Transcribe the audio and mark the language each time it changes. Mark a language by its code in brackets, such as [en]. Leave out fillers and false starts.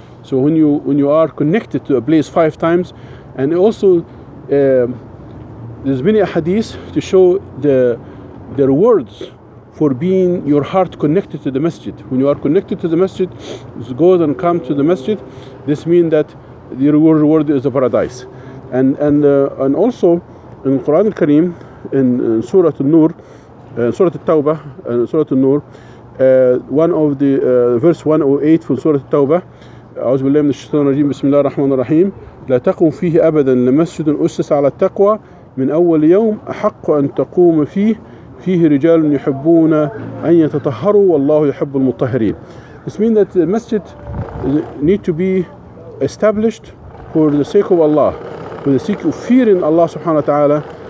[en] So when you are connected to a place five times, and also there's many hadith to show the rewards for being your heart connected to the masjid. When you are connected to the masjid, go and come to the masjid, this means that the reward is a paradise. And also in Quran al-Kareem, in Surah An-Nur, Surah At-Tawbah, [ar] Surah An-Nur, one of the verse 108 from Surah At-Tawbah, أعوذ بالله من الشيطان الرجيم بسم الله الرحمن الرحيم لا تقوم فيه أبدا لمسجد أسس على التقوى من أول يوم أحق أن تقوم فيه فيه رجال يحبون أن يتطهروا والله يحب المطهرين. [en] This means that the masjid need to be established for the sake of Allah, for the sake of fearing Allah subhanahu wa ta'ala,